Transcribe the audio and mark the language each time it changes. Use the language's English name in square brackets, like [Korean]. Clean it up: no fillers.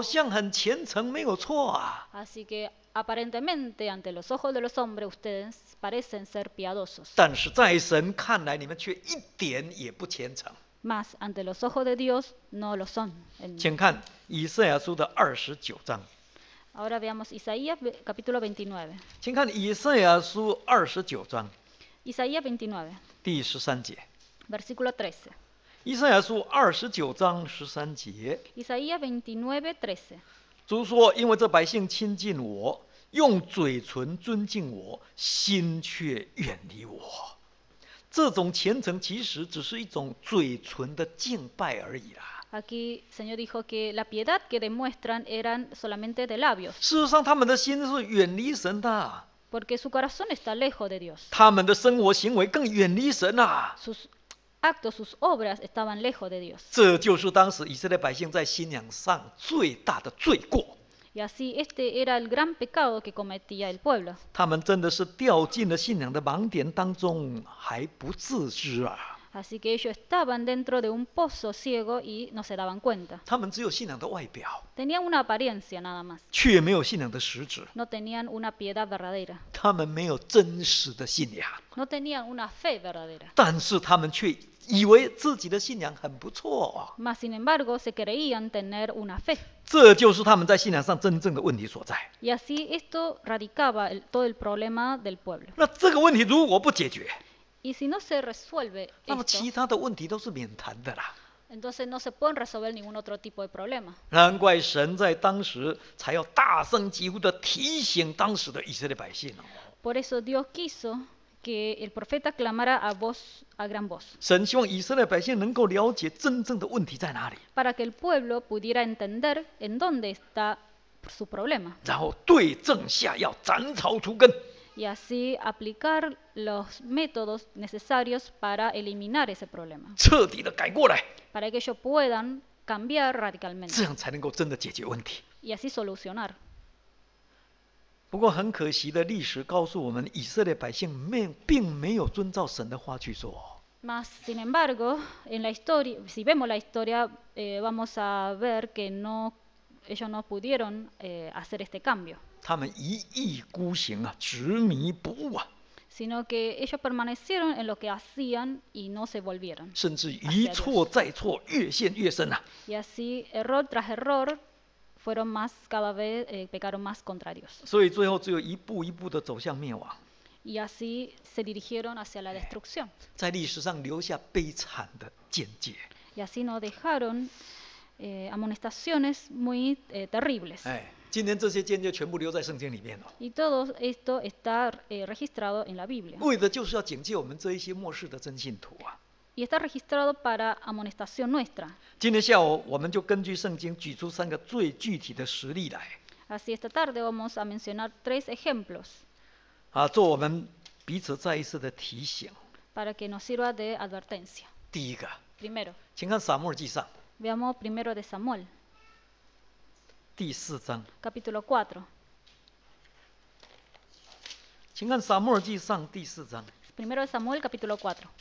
[Chinese] 所以或许从人看来你们好像很虔诚没有错啊。 [Spanish] Así que aparentemente ante los ojos de los hombres ustedes parecen ser piadosos. [Chinese] 但是在神看来你们却一点也不虔诚。 [Spanish] Mas ante los ojos de Dios no lo son. [Chinese] 请看以赛亚书的29章。 [Spanish] Ahora veamos Isaías capítulo 29. [Chinese] 请看以赛亚书29章。 [Spanish] Isaías 29. [Chinese] 第13节。 [Spanish] Versículo 13. [Chinese] 以赛亚书29章13节。 [Spanish] Isaías 29, 13. [Chinese] 主说，因为这百姓亲近我，用嘴唇尊敬我，心却远离我。这种虔诚其实只是一种嘴唇的敬拜而已啦。 [Spanish] Aquí el Señor dijo que la piedad que demuestran eran solamente de labios. [Chinese] 事实上他们的心是远离神的。 [Spanish] Porque su corazón está lejos de Dios. [Chinese] 他们的生活行为更远离神啊。 [Spanish] Sus actos, sus obras estaban lejos de Dios. [Chinese] 这就是当时以色列百姓在新娘上最大的罪过。 [Spanish] Y así este era el gran pecado que cometía el pueblo. [Chinese] 他们真的是掉进了新娘的盲点当中还不自知啊。 [Spanish] Así que ellos estaban dentro de un pozo ciego y no se daban cuenta. [Chinese] 他们只有信仰的外表, [Spanish] tenían una apariencia nada más. [Chinese] 却没有信仰的实质, [Spanish] no tenían una piedad verdadera. [Chinese] 他们没有真实的信仰, [Spanish] no tenían una fe verdadera. [Chinese] 但是他们却以为自己的信仰很不错, [Spanish] mas sin embargo se creían tener una fe. [Chinese] 这就是他们在信仰上真正的问题所在。 [Spanish] Y así esto radicaba todo el problema del pueblo. [Chinese] 那这个问题如果不解决, [Spanish] y si no se resuelve esto, [Chinese] 那么其他的问题都是免谈的啦。 [Spanish] Entonces no se pueden resolver ningún otro tipo de problema. [Chinese] 难怪神在当时才要大声疾呼地提醒当时的以色列百姓哦。 [Spanish] Por eso Dios quiso que el profeta clamara a voz, a gran voz. [Chinese] 神希望以色列百姓能够了解真正的问题在哪里。 [Spanish] Para que el pueblo pudiera entender en dónde está su problema. [Chinese] 然后对症下药，斩草除根。 [Spanish] Y así aplicar los métodos necesarios para eliminar ese problema. [Chinese] 彻底地改过来, [Spanish] para que ellos puedan cambiar radicalmente. [Chinese] 这样才能够真的解决问题。 [Spanish] Y así solucionar. [Chinese] 不过很可惜的历史告诉我们, 以色列百姓并没有遵照神的话去做。 [Spanish] Mas sin embargo, en la historia, si vemos la historia, vamos a ver que no, ellos no pudieron hacer este cambio. [Chinese] 他们一意孤行啊, 执迷不悟啊, [Spanish] sino que ellos permanecieron en lo que hacían y no se volvieron. [Chinese] 甚至一错再错, 越陷越深啊, [Spanish] y así, error tras error, fueron más cada vez, pecaron más contra Dios. [Chinese] 所以最后只有一步一步地走向灭亡。 [Spanish] Y así se dirigieron hacia la destrucción. [Chinese] 在历史上留下悲惨的见解。 [Spanish] Y así nos dejaron amonestaciones muy terribles. [Chinese] 今天这些见解全部留在圣经里面了。 [Spanish] Y todo esto está registrado en la Biblia. [Chinese] 为的就是要警戒我们这一些末世的真信徒啊。 [Spanish] Y está registrado para amonestación nuestra. [Chinese] 今天下午我们就根据圣经举出三个最具体的实例来。 [Spanish] Así esta tarde vamos a mencionar tres ejemplos. [Chinese] 做我们彼此再一次的提醒。 [Spanish] Para que nos sirva de advertencia. [Chinese] 第一个。 [Spanish] Primero. [Chinese] 请看撒母耳记上。 [Spanish] Veamos primero de Samuel. [Chinese] 第四章, [Spanish] capítulo 4. [Chinese] 请看撒母耳记上第四章, [Spanish] primero de Samuel, capítulo 4.